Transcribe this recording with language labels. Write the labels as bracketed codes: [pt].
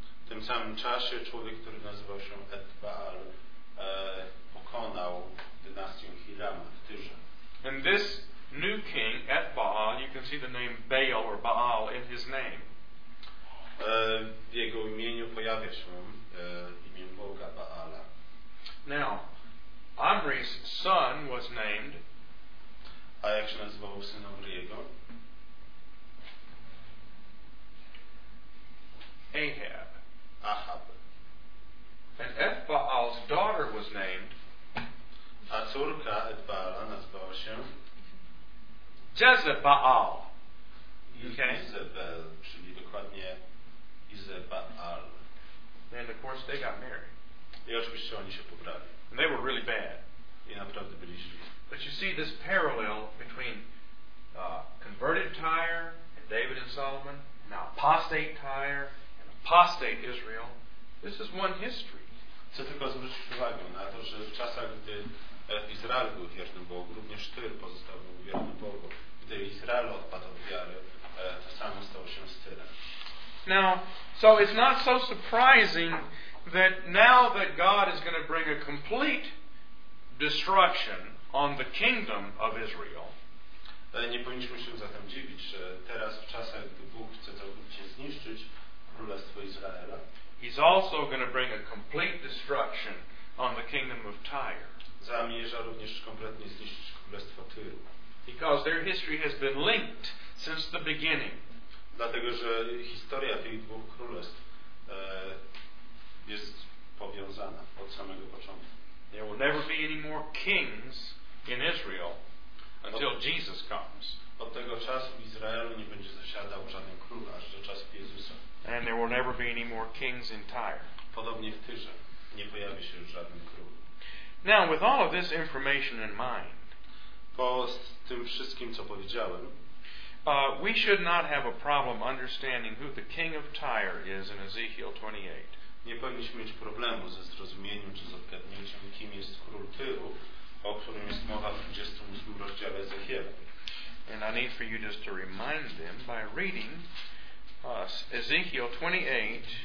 [pl] W tym samym czasie człowiek, który nazywał się Ethbaal, pokonał dynastię Hirama w Tyrze. [en] And this new king, Ethbaal, you can see the name Baal or Baal in his name. [pl] W jego imieniu pojawia się imię Boga Baala. [en] Now, Omri's son was named. [pl] A jak się nazywał syn Omriego? Ahab. [en] And Ethbaal's daughter was named. [pl] A córka Ethbaala nazywała się Jezebaal. [en] Jezebel, okay. [pl] Czyli dokładnie Jezebaal. [en] And of course they got married. [pl] I oczywiście oni się pobrali. [en] And they were really bad. [pl] I naprawdę byli źli. [en] But you see this parallel between converted Tyre and David and Solomon, now apostate Tyre and apostate Israel. This is one history. [pl] Chcę tylko zwrócić uwagę na to, że w czasach, gdy Izrael był wiernym Bogu, również Tyr pozostał wiernym Bogu. Gdy Izrael odpadł od wiary, to samo stało się z Tyrem. [en] Now, so it's not so surprising that now that God is going to bring a complete destruction on the kingdom of Israel. [pl] Nie powinniśmy się zatem dziwić, że teraz w czasach, gdy Bóg chce całkowicie zniszczyć królestwo Izraela, [en] he's also going to bring a complete destruction on the kingdom of Tyre. [pl] Zamierza również kompletnie zniszczyć królestwo Tyru. [en] Because their history has been linked since the beginning. [pl] Dlatego, że historia tych dwóch królestw jest powiązana od samego początku. [en] There will never be any more kings in Israel until Jesus comes. [pl] Od tego czasu w Izraelu nie będzie zasiadał żaden król, aż do czasu Jezusa. [en] And there will never be any more kings in Tyre. [pl] Podobnie w Tyrze nie pojawi się już żaden król. [en] Now, with all of this information in mind, [pl] po tym wszystkim, co powiedziałem, [en] we should not have a problem understanding who the king of Tyre is in Ezekiel 28. [pl] Nie powinniśmy mieć problemu ze zrozumieniem czy z odgadnięciem, kim jest król Tyru, o którym jest mowa w 28 rozdziale Ezechiela. [en] And I need for you just to remind them by reading us Ezekiel 28:12-14.